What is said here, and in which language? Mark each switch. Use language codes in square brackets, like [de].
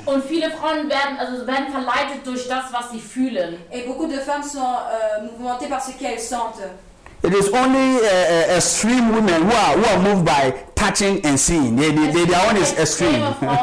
[de] Und viele Frauen werden verleitet durch das, was sie fühlen. [fr] Et beaucoup de femmes sont mouvementées par ce qu'elles sentent. [en] It is only extreme women who are moved by touching and seeing. They are only extreme.